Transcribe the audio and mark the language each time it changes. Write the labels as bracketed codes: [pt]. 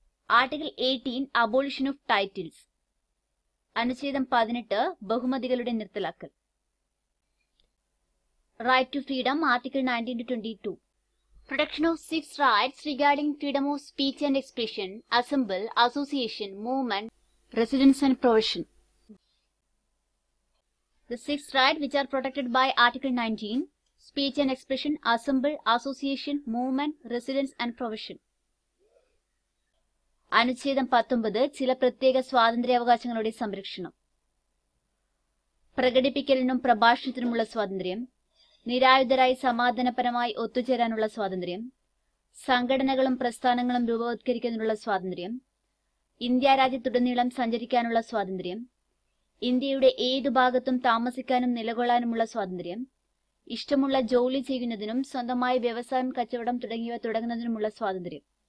[en] Article 18, abolition of titles. [ml] അനുച്ഛേദം 18, ബഹുമതികളുടെ നിർത്തലാക്കൽ. [en] Right to freedom, article 19-22. Protection of six rights regarding freedom of speech and expression, assemble, association, movement, residence and profession. The six rights which are protected by Article 19, speech and expression, assembly, association, movement, residence and provision. [ml] അനുച്ഛേദം 19 ചില പ്രത്യേക സ്വാതന്ത്ര്യ അവകാശങ്ങളുടെ സംരക്ഷണം. പ്രകടിപ്പിക്കലിനും പ്രഭാഷണത്തിനുമുള്ള സ്വാതന്ത്ര്യം, നിരായുധരായി സമാധാനപരമായി ഒത്തുചേരാനുള്ള സ്വാതന്ത്ര്യം, സംഘടനകളും പ്രസ്ഥാനങ്ങളും രൂപവത്കരിക്കുന്നതിനുള്ള സ്വാതന്ത്ര്യം, ഇന്ത്യ രാജ്യത്തുടനീളം സഞ്ചരിക്കാനുള്ള സ്വാതന്ത്ര്യം, ഇന്ത്യയുടെ ഏതു ഭാഗത്തും താമസിക്കാനും നിലകൊള്ളാനുമുള്ള സ്വാതന്ത്ര്യം, ഇഷ്ടമുള്ള ജോലി ചെയ്യുന്നതിനും സ്വന്തമായ വ്യവസായം കച്ചവടം തുടങ്ങിയവ തുടങ്ങുന്നതിനുമുള്ള സ്വാതന്ത്ര്യം.